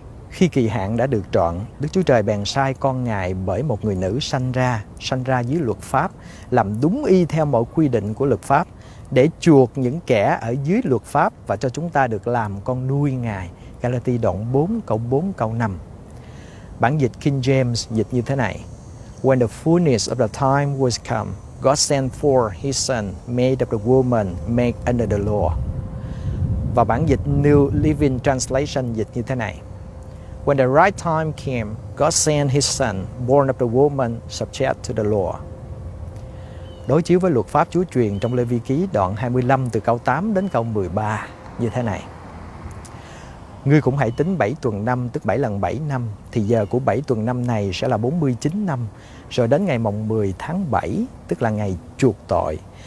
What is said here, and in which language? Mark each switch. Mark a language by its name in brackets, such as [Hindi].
[Vietnamese] Khi kỳ hạn đã được trọn, Đức Chúa Trời bèn sai con Ngài bởi một người nữ sanh ra dưới luật pháp, làm đúng y theo mọi quy định của luật pháp, để chuộc những kẻ ở dưới luật pháp và cho chúng ta được làm con nuôi Ngài. Galati đoạn 4 câu 4 câu 5. Bản dịch King James dịch như thế này. [English] When the fullness of the time was come, God sent forth his son, made of the woman, made under the law. [Vietnamese] Và bản dịch New Living Translation dịch như thế này. [English] When the right time came, God sent his son, born of the woman, subject to the law. [Vietnamese] Đối chiếu với luật pháp Chúa truyền trong Lê Vi Ký đoạn 25 từ câu 8 đến câu 13 như thế này. Ngươi cũng hãy tính 7 tuần năm, tức 7 lần 7 năm, thì giờ của 7 tuần năm này sẽ là 49 năm, rồi đến ngày mồng 10 tháng 7, tức là ngày chuộc tội.